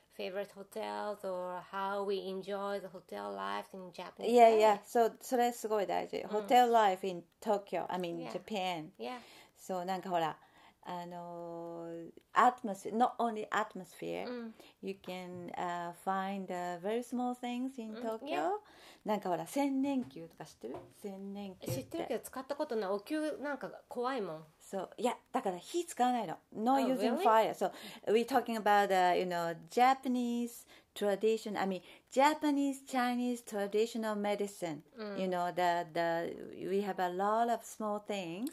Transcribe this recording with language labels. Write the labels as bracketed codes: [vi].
[en] favorite hotels or how we enjoy the hotel life in Japanese. Yeah, yeah. So, [ja] それすごい大事。 [en] Hotel life in Tokyo, I mean Japan. Yeah. So, なんかほら、あの、atmosphere, not only atmosphere, you can find very small things in Tokyo. [ja] なんかほら、千年球とか知ってる？千年球って。知ってるけど使ったことない。お灸なんか怖いもん。 [en] So, yeah, [ja] だから火使わないの。 [en] No using fire. So, we're talking about, you know, Japanese tradition. I mean, Japanese-Chinese traditional medicine. You know, the we have a lot of small things.